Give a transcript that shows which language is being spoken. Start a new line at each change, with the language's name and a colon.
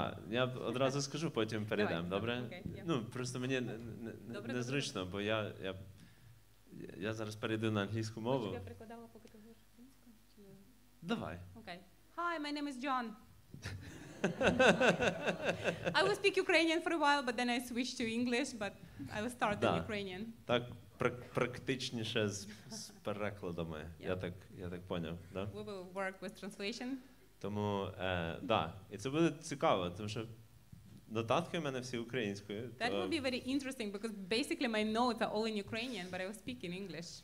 Ukrainian: Я одразу скажу, потім передам, давай, добре? Так, окей, ну, просто мені незручно, не бо я зараз перейду на англійську мову. Хочеш, я перекладала, поки ти говориш українською? Давай.
English: Окей. Okay. Hi, my name is John. I will speak Ukrainian for a while, but then I switch to English, but I will start in Ukrainian.
Ukrainian: Так, практичніше з перекладами, я так поняв, да?
English: We will work with translation.
Ukrainian: Тому, да, і це буде цікаво, тому що нотатки в мене всі українською.
English: That will be very interesting, because basically my notes are all in Ukrainian, but I will speak in English.